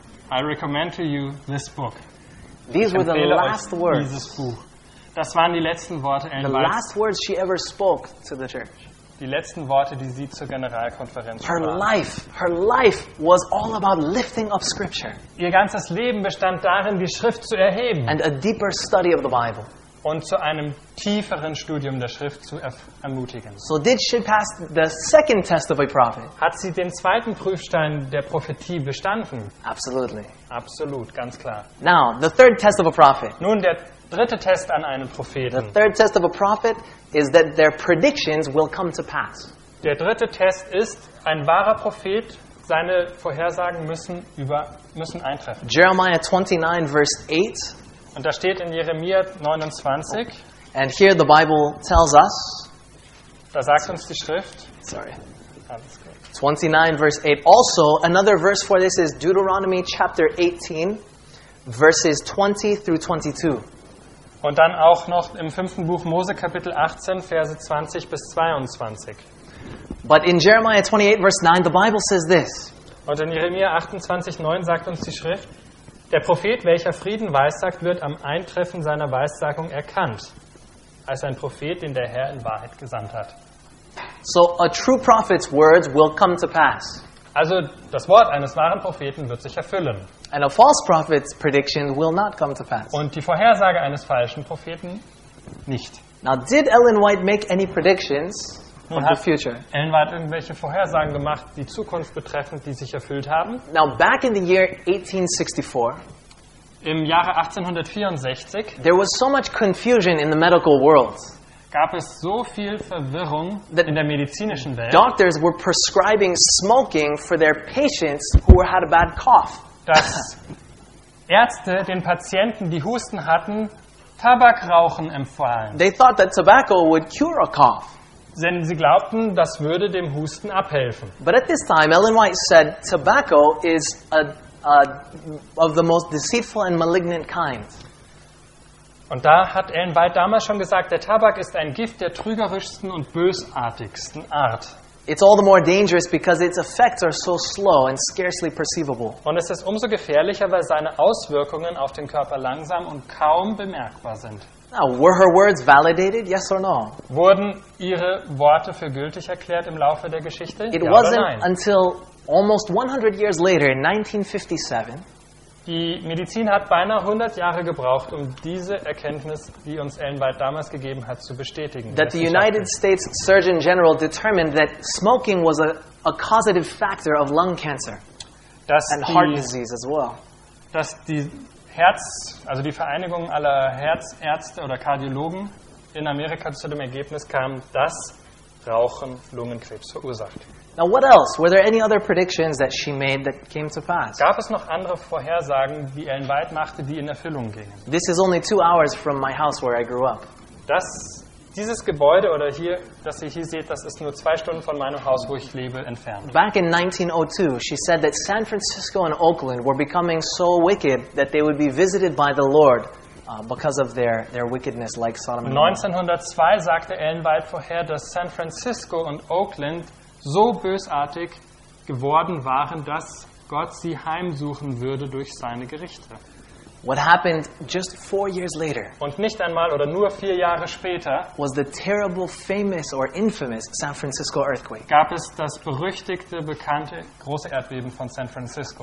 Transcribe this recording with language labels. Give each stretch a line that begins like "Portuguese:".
English: I recommend to you this book. These were the last words.
German: Das waren die letzten Worte Ellen
English: White. The last words she ever spoke to the church.
German: Die letzten Worte, die sie zur Generalkonferenz sprach.
English: Her life was all about lifting up scripture.
German: Ihr ganzes Leben bestand darin, die Schrift zu erheben.
English: And a deeper study of the Bible.
German: Und zu einem tieferen Studium der Schrift zu ermutigen.
English: So did she pass the second test of a prophet?
German: Hat sie den zweiten Prüfstein der Prophetie bestanden?
English: Absolutely.
German: Absolut, ganz klar.
English: Now, the third test of a prophet.
German: Nun der dritte Test an einem Propheten.
English: The third test of a prophet is that their predictions will come to pass.
German: Der dritte Test ist, ein wahrer Prophet, seine Vorhersagen müssen eintreffen.
English: Jeremiah 29 verse 8.
German: Und da steht in Jeremia 29.
English: And here the Bible tells us.
German: Da sagt uns die Schrift.
English: Sorry. 29 verse 8. Also another verse for this is Deuteronomy chapter 18 verses 20 through 22.
German: Und dann auch noch im fünften Buch Mose Kapitel 18 Verse 20 bis 22.
English: But in Jeremiah 28 verse 9 the Bible says this.
German: Und in Jeremia 28 9 sagt uns die Schrift. Der Prophet, welcher Frieden weissagt, wird am Eintreffen seiner Weissagung erkannt, als ein Prophet, den der Herr in Wahrheit gesandt hat.
English: So a true prophet's words will come to pass.
German: Also das Wort eines wahren Propheten wird sich erfüllen.
English: And a false prophet's prediction will not come to pass.
German: Und die Vorhersage eines falschen Propheten nicht.
English: Now did Ellen White make any predictions?
German: Und hat Ellen White irgendwelche Vorhersagen gemacht, die Zukunft betreffend, die sich erfüllt haben?
English: Now back in the year 1864.
German: Im Jahre 1864.
English: There was so much confusion in the medical world.
German: Gab es so viel Verwirrung in der medizinischen Welt.
English: Doctors were prescribing smoking for their patients who had a bad cough.
German: Dass Ärzte den Patienten, die Husten hatten, Tabakrauchen empfahlen.
English: They thought that tobacco would cure a cough.
German: Denn sie glaubten, das würde dem Husten abhelfen.
English: But at this time, Ellen White said, tobacco is a of the most deceitful and malignant kind.
German: Und da hat Ellen White damals schon gesagt, der Tabak ist ein Gift der trügerischsten und bösartigsten Art.
English: It's all the more dangerous because its effects are so slow and scarcely perceivable.
German: Und es ist umso gefährlicher, weil seine Auswirkungen auf den Körper langsam und kaum bemerkbar sind.
English: Now, were her words validated? Yes or no?
German: Wurden ihre Worte für gültig erklärt im Laufe der Geschichte?
English: It
German: ja
English: wasn't
German: oder nein?
English: Until almost 100 years later, in 1957.
German: Die Medizin hat beinahe 100 Jahre gebraucht, um diese Erkenntnis, die uns Ellen White damals gegeben hat, zu bestätigen.
English: That the United States Surgeon General determined that smoking was a causative factor of lung cancer and heart disease as well.
German: Dass die Herz, also die Vereinigung aller Herzärzte oder Kardiologen in Amerika zu dem Ergebnis kam, dass Rauchen Lungenkrebs verursacht.
English: Now what else? Were there any other predictions that she made that came to pass?
German: Gab es noch andere Vorhersagen, die Ellen White machte, die in Erfüllung gingen?
English: This is only 2 hours from my house where I grew up.
German: Dieses Gebäude oder hier, das ihr hier seht, das ist nur 2 Stunden von meinem Haus, wo ich lebe, entfernt.
English: Back in 1902, she said that San Francisco and Oakland were becoming so wicked that they would be visited by the Lord because of their wickedness, like Sodom and Gomorrah.
German: 1902 sagte Ellen White vorher, dass San Francisco und Oakland so bösartig geworden waren, dass Gott sie heimsuchen würde durch seine Gerichte.
English: What happened just 4 years later?
German: Und nicht einmal oder nur 4 Jahre später
English: was the terrible, famous or infamous San Francisco earthquake.
German: Gab es das berüchtigte, bekannte große Erdbeben von San Francisco.